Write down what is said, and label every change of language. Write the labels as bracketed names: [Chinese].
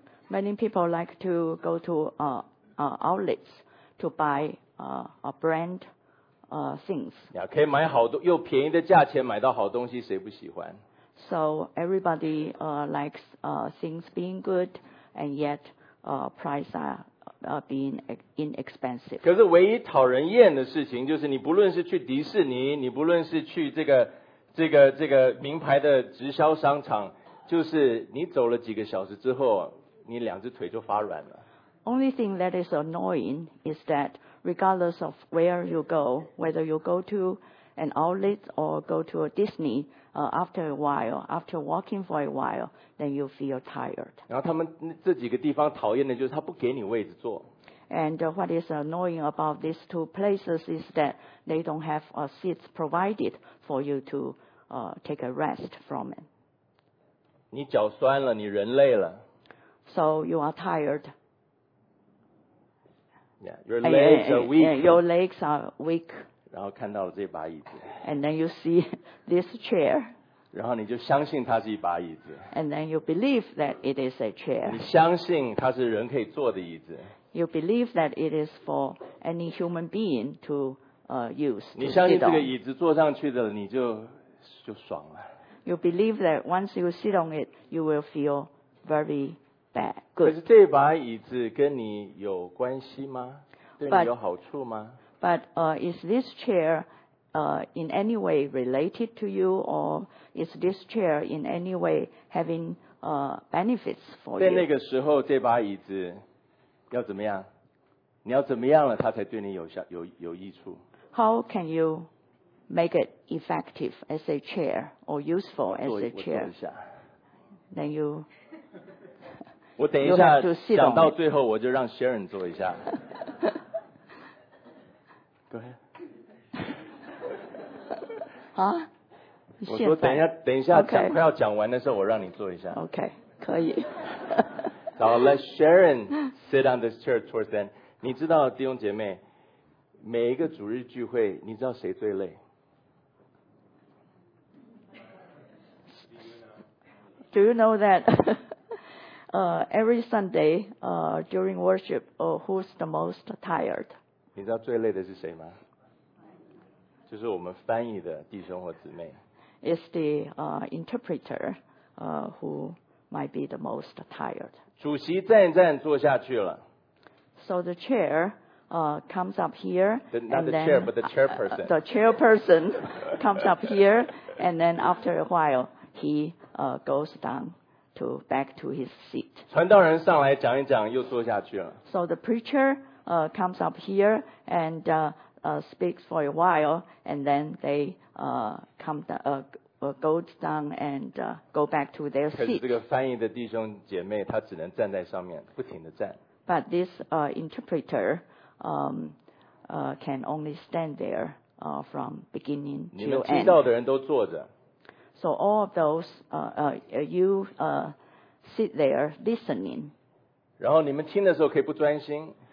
[English] Many people like to go to outlets to buy brand things. [Chinese] Yeah, 可以买好多又便宜的价钱买到好东西，谁不喜欢？ [English] So everybody likes things being good, and yet price are being inexpensive. [Chinese] 可是唯一讨人厌的事情就是，你不论是去迪士尼，你不论是去这个名牌的直销商场，就是你走了几个小时之后，你两只腿就发软了。 [English] Only thing that is annoying is that regardless of where you go, whether you go to an outlet or go to a Disney, after walking for a while, then you feel tired. [Chinese] 然后他们这几个地方讨厌的就是他不给你位置坐。 [English] And what is annoying about these two places is that they don't have seats provided for you to take a rest from it. [Chinese] 你脚酸了，你人累了。 [English] So you are tired. Yeah, your legs are weak. Yeah, your legs are weak. [Chinese] 然后看到了这把椅子。 [English] And then you see this chair. [Chinese] 然后你就相信它是一把椅子。 [English] And then you believe that it is a chair. [Chinese] 你相信它是人可以坐的椅子。 [English] You believe that it is for any human being to use. [Chinese] 你相信这个椅子坐上去的了，你就爽了。 [English] You believe that once you sit on it, you will feel very bad. Good. [Chinese] 可是这把椅子跟你有关系吗？对你有好处吗？ [English] But is this chair in any way related to you, or is this chair in any way having benefits for you? [Chinese] 在那个时候，这把椅子要怎么样？你要怎么样了，它才对你有效、有益处 [English] ？How can you make it effective as a chair or useful as a chair? [Chinese] 我坐一下。 [English] Then you. [Chinese] 我等一下讲到最后，我就让 Sharon 坐一下。 [English] Go ahead. 啊？ [Chinese] 我说等一下讲快要讲完的时候，我让你坐一下。 OK， 可以。 [English] I'll let Sharon sit on this chair towards the end. [Chinese] 你知道弟兄姐妹，每一个主日聚会，你知道谁最累？ [English] Do you know that every Sunday during worship, who's the most tired? [Chinese] 你知道最累的是谁吗？就是我们翻译的弟兄或姊妹。 [English] It's the interpreter who might be the most tired. [Chinese] 主席站一站坐下去了。 [English] So the chair comes up here. The chairperson comes up here, and then after a while, he goes down to back to his seat. [Chinese] 传道人上来讲一讲，又坐下去了。 [English] So the preacher comes up here and speaks for a while, and then they go down and go back to their seat. [Chinese] 可是这个翻译的弟兄姐妹，他只能站在上面，不停的站。 [English] But this interpreter can only stand there from beginning to end. [Chinese] 你们听到的人都坐着。 [English] So all of those you sit there listening. [Chinese] 然后你们听的时候可以不专心。